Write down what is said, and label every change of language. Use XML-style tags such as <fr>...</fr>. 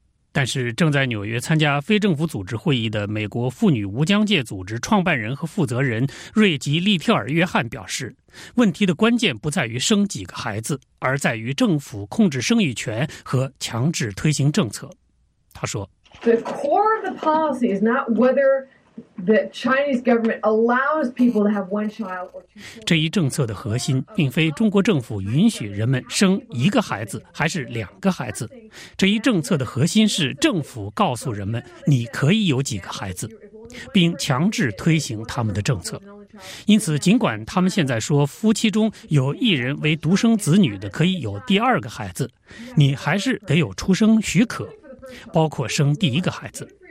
<zh>但是正在纽约参加非政府组织会议的美国妇女无疆界组织创办人和负责人瑞吉·利特尔·约翰表示，问题的关键不在于生几个孩子，而在于政府控制生育权和强制推行政策。他说</zh> <en>The core of the policy is not whether the Chinese government allows people to have one child or two.</en> <zh>这一政策的核心并非中国政府允许人们生一个孩子还是两个孩子。这一政策的核心是政府告诉人们你可以有几个孩子，并强制推行他们的政策。因此，尽管他们现在说夫妻中有一人为独生子女的可以有第二个孩子，你还是得有出生许可，包括生第一个孩子。</zh>